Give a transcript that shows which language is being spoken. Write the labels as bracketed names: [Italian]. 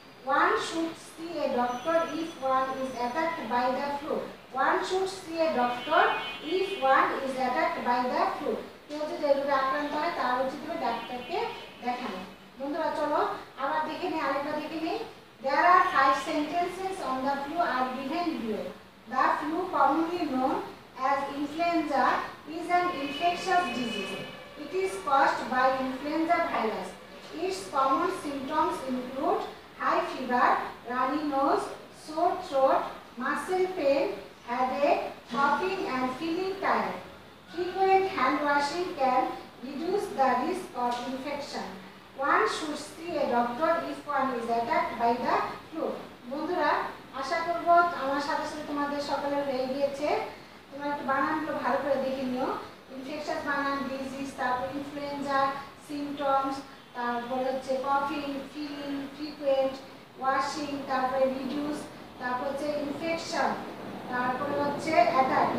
[English] one should see a doctor if one is attacked by the flu, one should see a doctor if one is attacked by the flu, [Bangla] কেউ যদি এগুলো আক্রান্ত হয় তার উচিত হবে ডাক্তারকে দেখানো। বন্ধুরা চলো আবার দেখে নিই, [English] আরেকবার দেখে নিই, there are 5 sentences on on the flu are given below. The flu, commonly known as influenza, is an infectious disease. It is caused by influenza virus. Its common symptoms include high fever, runny nose, sore throat, muscle pain, headache, coughing and feeling tired. Frequent hand washing can reduce the risk of infection. One should see a doctor if one is attacked by the flu. [Bangla] বন্ধুরা আশা করব আমার সাথে সাথে তোমাদের সকলের হয়ে গিয়েছে। তোমরা একটু বানানগুলো ভালো করে দেখে নিও। ইনফেকশাস বানান, ডিজিজ, তারপর ইনফ্লুয়েঞ্জা সিমটমস, তারপর হচ্ছে কফিং, ফিলিং, ফ্রিকুয়েন্ট ওয়াশিং, তারপরে রিডিউস, তারপর হচ্ছে ইনফেকশন, তারপরে হচ্ছে অ্যাটাক।